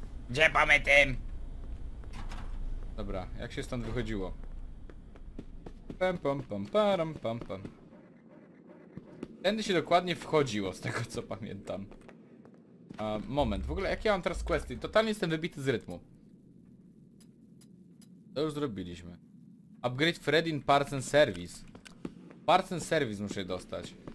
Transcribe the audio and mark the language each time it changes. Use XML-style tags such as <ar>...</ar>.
<pl>Gdzie mamy tym? Dobra, jak się stąd wychodziło? Pam pam pam param pam pam. Tędy się dokładnie wchodziło, z tego co pamiętam. Moment, w ogóle jakie mam teraz questy? Totalnie jestem wybity z rytmu. To już zrobiliśmy.</pl> <en>Upgrade Freddy in Parts and Service.</en> <pl>Parts and Service muszę dostać.</pl>